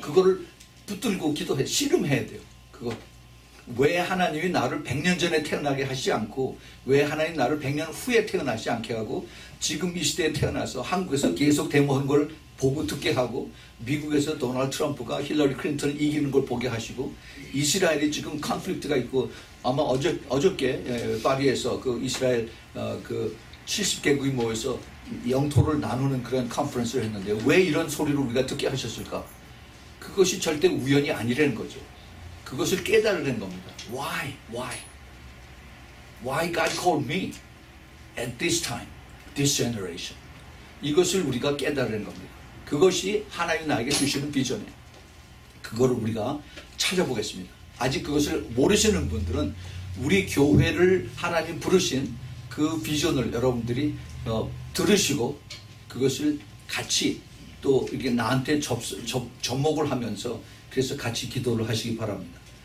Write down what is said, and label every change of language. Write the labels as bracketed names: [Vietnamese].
[Korean] 그거를 붙들고 기도해 씨름해야 돼요. 그거 왜 하나님이 나를 100년 전에 태어나게 하시지 않고 왜 하나님이 나를 100년 후에 태어나지 않게 하고 지금 이 시대에 태어나서 한국에서 계속 데모하는 걸 보고 듣게 하고 미국에서 도널드 트럼프가 힐러리 클린턴을 이기는 걸 보게 하시고 이스라엘이 지금 컨플릭트가 있고 아마 어저께 파리에서 그 이스라엘 그 70개국이 모여서 영토를 나누는 그런 컨퍼런스를 했는데 왜 이런 소리를 우리가 듣게 하셨을까? 그것이 절대 우연이 아니라는 거죠. 그것을 깨달으라는 겁니다. [English] Why? Why? Why God called me at this time, this generation? [Korean] 이것을 우리가 깨달으라는 겁니다. 그것이 하나님 나에게 주시는 비전이에요. 그거를 우리가 찾아보겠습니다. 아직 그것을 모르시는 분들은 우리 교회를 하나님 부르신 그 비전을 여러분들이 들으시고 그것을 같이 또 이렇게 나한테 접목을 하면서 그래서 같이 기도를 하시기 바랍니다.